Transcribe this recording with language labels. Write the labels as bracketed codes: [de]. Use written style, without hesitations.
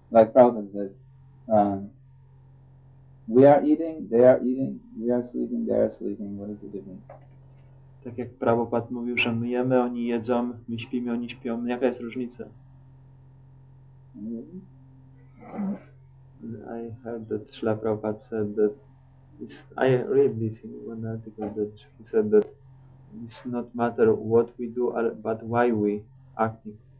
[en] Like Prabhupada said, we are eating, they are eating, we are sleeping, they are sleeping, what is the difference? [pl] Tak jak Prabhupada mówił, że my jemy, oni jedzą, my śpimy, oni śpią. Jaka jest różnica? [en] I heard that Śrīla Prabhupada said that I read this in one article that he said that it's not matter what we do, but why we acting.